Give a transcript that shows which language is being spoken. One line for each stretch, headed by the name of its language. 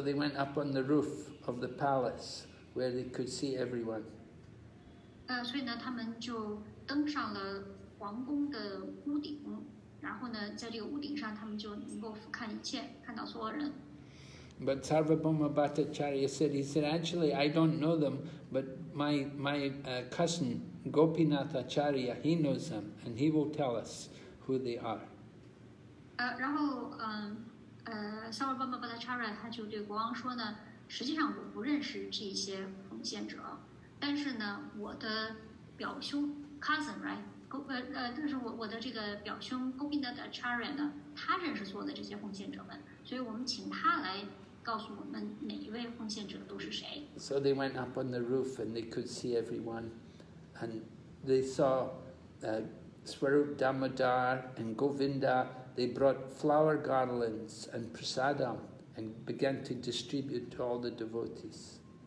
English: they went up on the roof of the palace where they could see everyone.
Chinese: 所以呢，他们就登上了王宫的屋顶，然后呢，在这个屋顶上，他们就能够俯瞰一切，看到所有人。
English: But Sarvabhauma Bhattacharya said, he said, "Actually, I don't know them, but my cousin, Gopinath Acharya, he knows them, and he will tell us who they are."
Chinese: Sarvabhauma Bhattacharya他就对国王说呢，实际上我不认识这些奉献者，但是呢，我的表兄 Gopinath Acharya呢，他认识所有的这些奉献者们，所以我们请他来。告诉我们每一位奉献者都是谁。
English: So they went up on the roof and they could see everyone, and they saw Swarup Damodar and Govinda. They brought flower garlands and prasadam and began to distribute to all the devotees.